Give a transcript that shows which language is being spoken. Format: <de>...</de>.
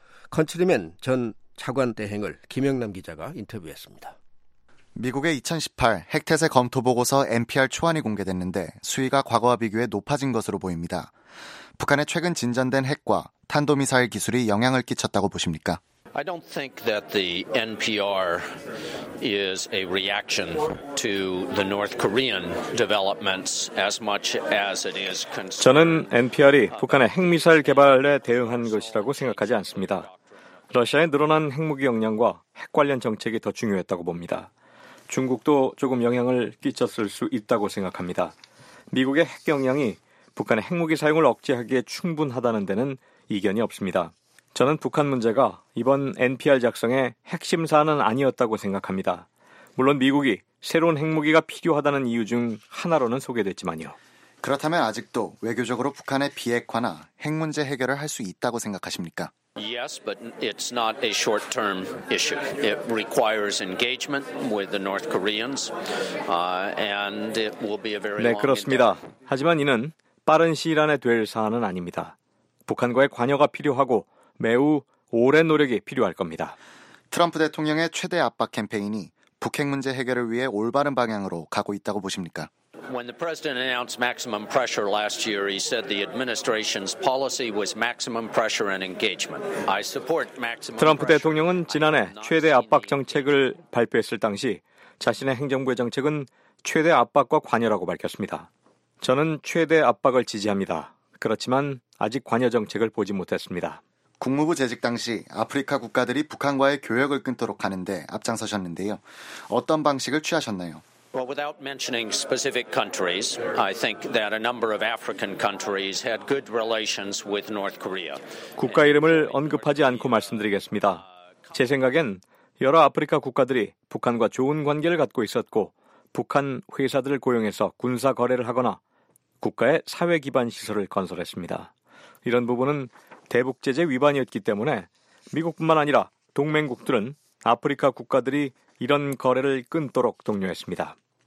<ko>컨츄리맨 전 차관 대행을 김영남 기자가 인터뷰했습니다. 미국의 2018 핵태세 검토 보고서 NPR 초안이 공개됐는데 수위가 과거와 비교해 높아진 것으로 보입니다. 북한의 최근 진전된 핵과 탄도미사일 기술이 영향을 끼쳤다고 보십니까?</ko> <en>I don't think that the NPR is a reaction to the North Korean developments as much as it is concerned.</en> <ko>저는 NPR이 북한의 핵미사일 개발에 대응한 것이라고 생각하지 않습니다. 러시아의 늘어난 핵무기 역량과 핵 관련 정책이 더 중요했다고 봅니다. 중국도 조금 영향을 끼쳤을 수 있다고 생각합니다. 미국의 핵 역량이 북한의 핵무기 사용을 억제하기에 충분하다는 데는 이견이 없습니다. 저는 북한 문제가 이번 NPR 작성의 핵심 사안은 아니었다고 생각합니다. 물론 미국이 새로운 핵무기가 필요하다는 이유 중 하나로는 소개됐지만요. 그렇다면 아직도 외교적으로 북한의 비핵화나 핵 문제 해결을 할 수 있다고 생각하십니까?</ko> <en>Yes, but it's not a short-term issue. It requires engagement with the North Koreans, and it will be a very long.</en> <ko>네, 그렇습니다. 하지만 이는 빠른 시일 안에 될 사안은 아닙니다. 북한과의 관여가 필요하고 매우 오랜 노력이 필요할 겁니다. 트럼프 대통령의 최대 압박 캠페인이 북핵 문제 해결을 위해 올바른 방향으로 가고 있다고 보십니까?</ko> <en>When the president announced maximum pressure last year, he said the administration's policy was maximum pressure and engagement. I support maximum pressure.</en> <ko>트럼프 대통령은 지난해 최대 압박 정책을 발표했을 당시 자신의 행정부의 정책은 최대 압박과 관여라고 밝혔습니다. 저는 최대 압박을 지지합니다. 그렇지만 아직 관여 정책을 보지 못했습니다. 국무부 재직 당시 아프리카 국가들이 북한과의 교역을 끊도록 하는데 앞장서셨는데요. 어떤 방식을 취하셨나요?</ko> <en>Well, without mentioning specific countries, I think that a number of African countries had good relations with North Korea.</en> <ko>국가 이름을 언급하지 않고 말씀드리겠습니다. 제 생각엔 여러 아프리카 국가들이 북한과 좋은 관계를 갖고 있었고 북한 회사들을 고용해서 군사 거래를 하거나 국가의 사회 기반 시설을 건설했습니다. 이런 부분은 대북 제재 위반이었기 때문에 미국뿐만 아니라 동맹국들은 아프리카 국가들이 이런 거래를 끊도록 독려했습니다.</ko>